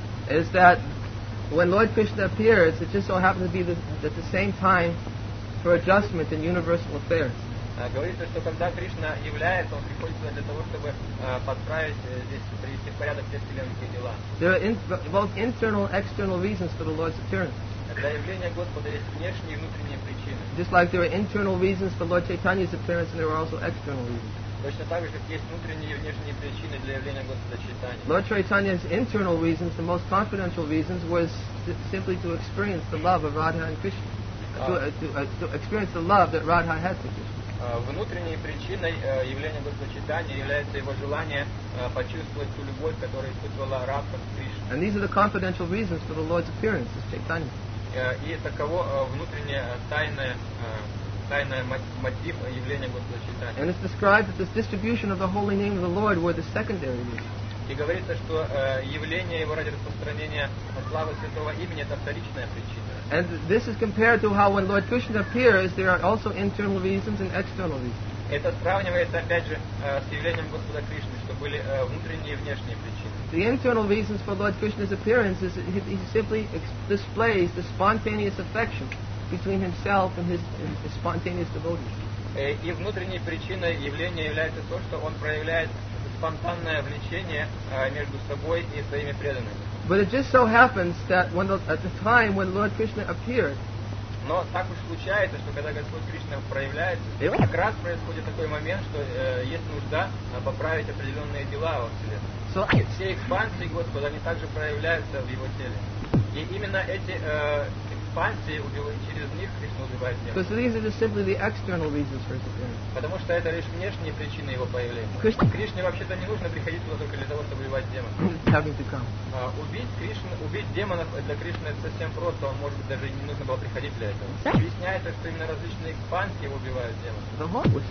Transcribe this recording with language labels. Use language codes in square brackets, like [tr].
[en] Is that when Lord Krishna appears, it just so happens to be at the same time for adjustment in universal affairs. [ru] Говорится, что когда Кришна является, он приходит для того, чтобы подправить здесь, привести в порядок все вселенские дела. [en] There are both internal and external reasons for the Lord's appearance. [ru] Для явления Господа есть внешние и внутренние причины. [en] Just like there are internal reasons for Lord Chaitanya's appearance, and there are also external reasons. [ru] Точно так же, как есть внутренние и внешние причины для явления Господа Чайтани. [en] Lord Chaitanya's internal reasons, the most confidential reasons, was simply to experience the love of Radha and Krishna. To experience the love that Radha has for Krishna. [ru] Внутренней причиной явления Господа Чайтани является его желание почувствовать ту любовь, которую испытывала Радха к Кришне. [en] And these are the confidential reasons for the Lord's appearance as Chaitanya. [ru] И таково внутреннее тайное мотив явления Господа Чайтани. [en] And it's described that this distribution of the holy name of the Lord were the secondary reasons. [ru] И говорится, что явление его ради распространения славы святого имени это вторичная причина. [en] And this is compared to how when Lord Krishna appears, there are also internal reasons and external reasons. [ru] Это сравнивается опять же с явлением Господа Кришны, что были внутренние и внешние причины. [en] The internal reasons for Lord Krishna's appearance is he simply displays the spontaneous affection between himself and his spontaneous devotees. [ru] И внутренней причиной явления является то, что он проявляет спонтанное влечение между собой и своими преданными. [en] But it just so happens that when the, at the time when Lord Krishna appeared, [ru] но так уж случается, что когда Господь Кришна проявляется, как раз происходит такой момент, что есть нужда поправить определенные дела во Вселенной. [en] So [ru] и все экспансии Господа, они также проявляются в его теле. И именно эти экспансии, через них Кришна убивает тело. [en] Because these are just simply the external reasons for his appearance. [ru] Потому что это лишь внешние причины его появления. Кришне вообще-то не нужно приходить туда только для того, чтобы убивать демонов. Убить демонов для Кришны это совсем просто, он может быть даже не нужно было приходить для этого. Объясняется, что именно различные экспансии убивают демонов.